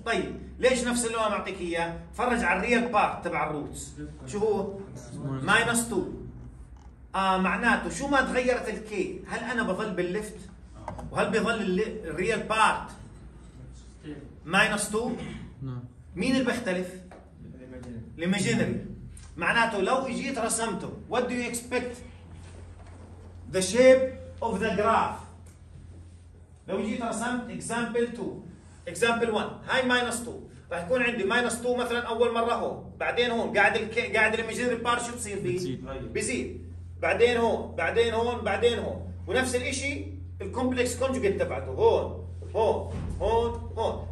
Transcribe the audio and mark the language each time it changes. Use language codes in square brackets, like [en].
[ar] طيب ليش نفس اللون؟ انا اعطيك اياه، تفرج على الريال بارت تبع الروتس شو هو؟ ماينس 2. معناته شو ما تغيرت الكي، هل انا بظل بالليفت وهل بظل الريال بارت ماينس 2؟ مين اللي بيختلف؟ الايماجينري. معناته لو اجيت رسمته [en] what do you expect the shape of the graph. [ar] لو جيت رسمت example 2 example 1 هاي minus 2 راح يكون عندي minus 2 مثلا اول مره هون، بعدين هون قاعد قاعد الايماجينري بار شو بصير فيه؟ بزيد. بعدين هون بعدين هون بعدين هون، ونفس الشيء الكومبلكس كونجوجيت تبعته هون هون هون هون.